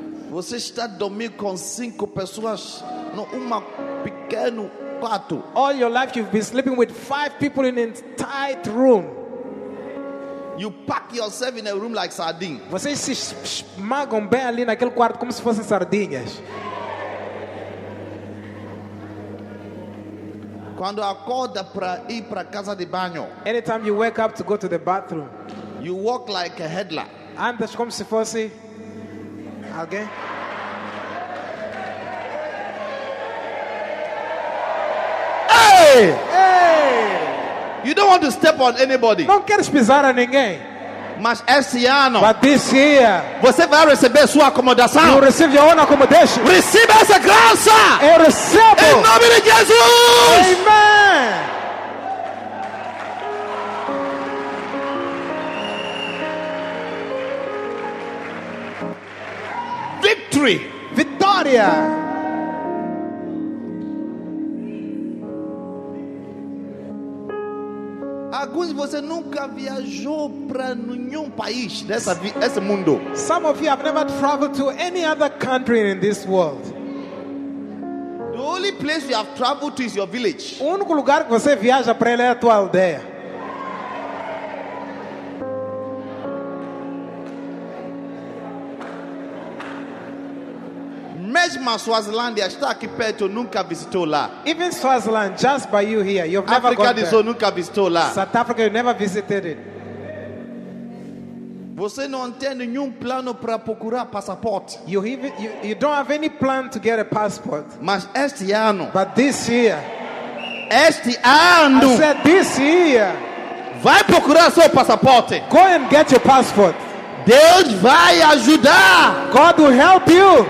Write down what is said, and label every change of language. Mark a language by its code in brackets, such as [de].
[pt] Você está dormindo com cinco pessoas num pequeno quarto. [en] All your life you've been sleeping with five people in a tight room. You pack yourself in a room like sardine. [pt] Vocês se esmagam bem ali naquele quarto como se fossem sardinhas. Quando acorda para ir para casa de banho. [en] Anytime you wake up to go to the bathroom. You walk like a headler. [pt] Andas como se fosse alguém. Hey! Hey! [en] You don't want to step on anybody. [pt] Não queres pisar a ninguém. Mas este ano. [en] But this year. [pt] Você vai receber sua acomodação. [en] You receive your own accommodation. [pt] Receba essa graça. Eu recebo. Em nome de Jesus. [en] Amen. Victory. [pt] Vitória. Alguns de vocês nunca viajou para nenhum país desse mundo. [en] Some of you have never traveled to any other country in this world. The only place you have traveled to is your village. [pt] O único lugar que você viaja para ele é a tua aldeia. Mesmo Swazilândia está aqui perto, nunca visitou lá. [en] Even Swaziland, just by you here, you've never Africa gone there. [pt] Africa, nunca visitou lá. [en] South Africa, you never visited it. [pt] Você não tem nenhum plano para procurar passaporte. [en] You don't have any plan to get a passport. [pt] Mas este ano. [en] But this year. [pt] Este ano. [en] I said this year. [pt] Vai procurar seu passaporte. [en] Go and get your passport. [pt] Deus vai ajudar. [en] God will help you.